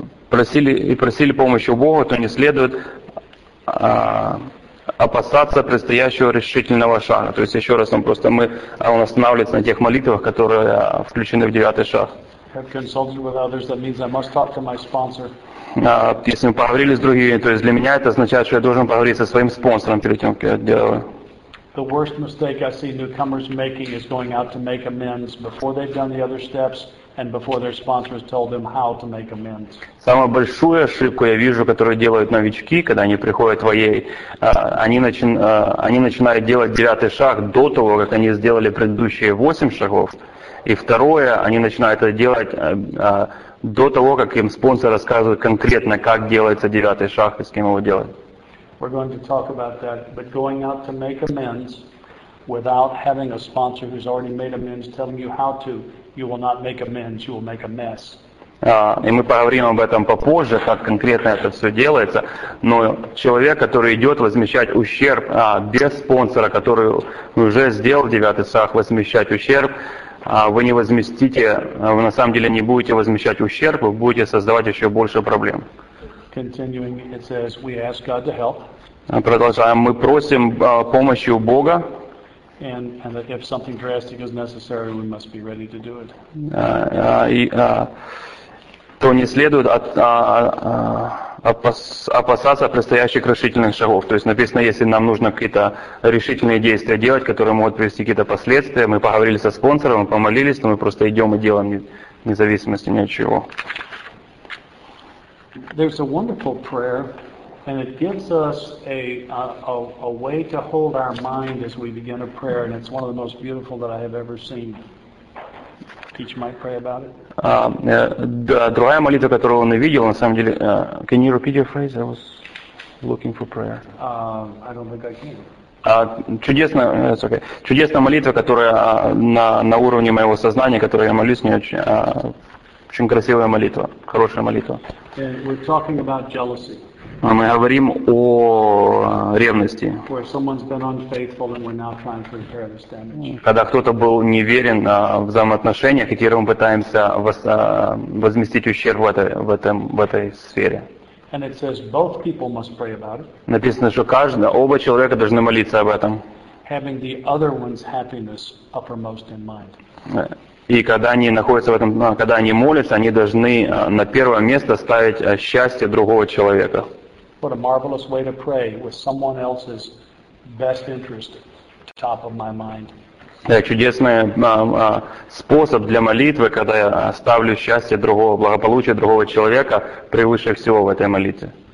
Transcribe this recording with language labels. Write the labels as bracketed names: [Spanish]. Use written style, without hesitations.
[Russian] Просили помощи у Бога, то не следует опасаться предстоящего решительного шага. То есть еще раз, он останавливается на тех молитвах, которые включены в девятый шаг. Если мы поговорили с другими, то есть для меня это означает, что я должен поговорить со своим спонсором перед тем, как я делаю. [English] The worst mistake I see newcomers making is going out to make amends before they've done the other steps and before their sponsors told them how to make amends. [Russian] Самую большую ошибку я вижу, которую делают новички, когда они приходят в АА, они начинают делать девятый шаг до того, как они сделали предыдущие 8 шагов. И второе, они начинают это делать до того, как им спонсор рассказывает конкретно, как делается девятый шаг и с кем его делать. [English] We're going to talk about that, but going out to make amends without having a sponsor who's already made amends telling you how to, you will not make amends, you will make a mess. [Russian] И мы поговорим об этом попозже, как конкретно это все делается, но человек, который идет возмещать ущерб без спонсора, который уже сделал девятый шаг, возмещать ущерб, вы не возместите, вы на самом деле не будете возмещать ущерб, вы будете создавать еще больше проблем. [English] Continuing, it says, we ask God to help. [Russian] Продолжаем. Мы просим помощи у Бога. [English] And that if something drastic is necessary, we must be ready to do it. [Russian] То не следует опасаться предстоящих решительных шагов. То есть написано, если нам нужно какие-то решительные действия делать, которые могут привести какие-то последствия, мы поговорили со спонсором, мы помолились, но мы просто идем и делаем, вне зависимости ни от чего. [English] There's a wonderful prayer, and it gives us a way to hold our mind as we begin a prayer, and it's one of the most beautiful that I have ever seen. Teach Mike pray about it. [Russian] Другая молитва, которую он увидел, на самом деле, [English] can you repeat your phrase? I was looking for prayer. I don't think I can. [Russian] Чудесная молитва, которая на уровне моего сознания, которую я молюсь, не очень. Очень красивая молитва, хорошая молитва. [English] We're talking about jealousy. [Russian] Мы говорим о ревности. [English] Where someone's been unfaithful and we're now trying to repair this damage. [Russian] Когда кто-то был неверен в взаимоотношениях, и теперь мы пытаемся возместить ущерб в этой сфере. [English] And it says both people must pray about it. [Russian] Написано, что оба человека должны молиться об этом. [English] Having the other one's happiness uppermost in mind. [Russian] И когда они находятся в этом, когда они молятся, они должны на первое место ставить счастье другого человека. [English] What a marvelous way to pray with someone else's best interest top of my mind. [Russian] Это чудесный способ для молитвы, когда я ставлю счастье другого, благополучие другого человека превыше всего в этой молитве.